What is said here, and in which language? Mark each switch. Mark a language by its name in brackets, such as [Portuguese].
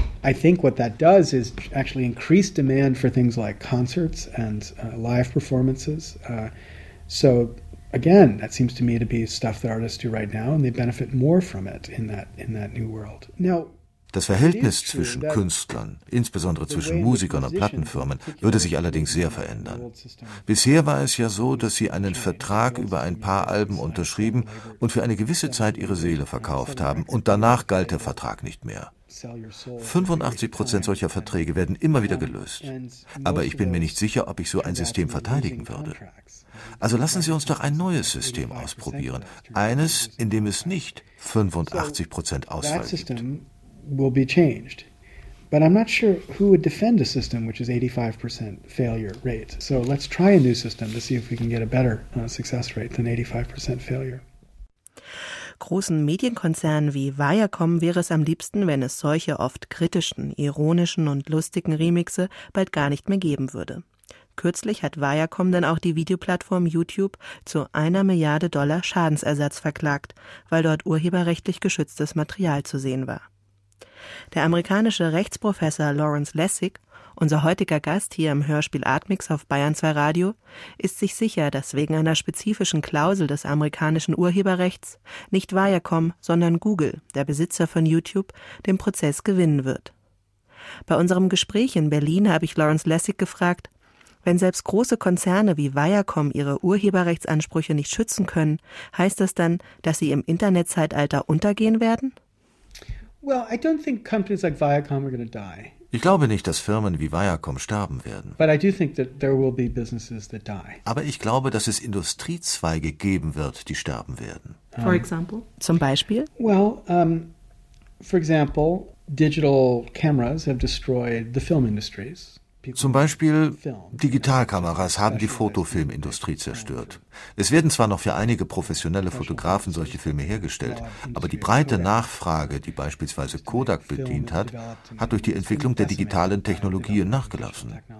[English] I think what that does is actually increase demand for things like concerts and live performances. So again, that seems to me to be stuff that artists do right now, and they benefit more from it in that new world. Now, [German] das Verhältnis zwischen Künstlern, insbesondere zwischen Musikern und Plattenfirmen, würde sich allerdings sehr verändern. Bisher war es ja so, dass sie einen Vertrag über ein paar Alben unterschrieben und für eine gewisse Zeit ihre Seele verkauft haben, und danach galt der Vertrag nicht mehr. 85% solcher Verträge werden immer wieder gelöst. Aber ich bin mir nicht sicher, ob ich so ein System verteidigen würde. Also lassen Sie uns doch ein neues System ausprobieren. Eines, in dem es nicht 85% Ausfall gibt. [English] That system will be changed. But I'm not sure who would defend a system which is 85% failure rate. So let's try a new system to see if we can get a better success rate than 85% failure. [German] Großen Medienkonzernen wie Viacom wäre es am liebsten, wenn es solche oft kritischen, ironischen und lustigen Remixe bald gar nicht mehr geben würde. Kürzlich hat Viacom dann auch die Videoplattform YouTube zu $1 Milliarde Schadensersatz verklagt, weil dort urheberrechtlich geschütztes Material zu sehen war. Der amerikanische Rechtsprofessor Lawrence Lessig, unser heutiger Gast hier im Hörspiel Artmix auf Bayern 2 Radio, ist sich sicher, dass wegen einer spezifischen Klausel des amerikanischen Urheberrechts nicht Viacom, sondern Google, der Besitzer von YouTube, den Prozess gewinnen wird. Bei unserem Gespräch in Berlin habe ich Lawrence Lessig gefragt, wenn selbst große Konzerne wie Viacom ihre Urheberrechtsansprüche nicht schützen können, heißt das dann, dass sie im Internetzeitalter untergehen werden? [English] Well, I don't think companies like Viacom are going to die. [German] Ich glaube nicht, dass Firmen wie Viacom sterben werden. [English] But I do think that there will be businesses that die. [German] Aber ich glaube, dass es Industriezweige geben wird, die sterben werden. [English] For example? [German] Zum Beispiel? [English] Well, for example, digital cameras have destroyed the film industries. [German] Zum Beispiel, Digitalkameras haben die Fotofilmindustrie zerstört. Es werden zwar noch für einige professionelle Fotografen solche Filme hergestellt, aber die breite Nachfrage, die beispielsweise Kodak bedient hat, hat durch die Entwicklung der digitalen Technologien nachgelassen.